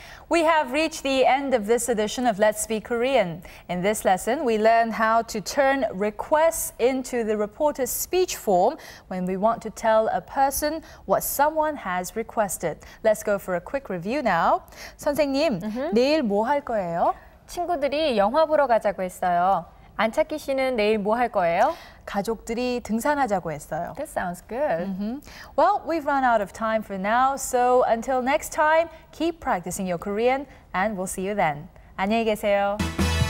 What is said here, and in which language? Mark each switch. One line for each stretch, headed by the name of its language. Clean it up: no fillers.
English: We have reached the end of this edition of Let's Speak Korean. In this lesson, we learn how to turn requests into the reporter's speech form when we want to tell a person what someone has requested. Let's go for a quick review now. 선생님, mm-hmm.
Korean: 내일 뭐 할 거예요? 친구들이 영화 보러 가자고 했어요. 안찾기 씨는 내일 뭐 할 거예요? 가족들이 등산하자고 했어요.
English: That sounds good. Mm-hmm. Well, we've run out of time for now. So until next time, keep practicing your Korean and we'll see you then.
Korean: 안녕히 계세요.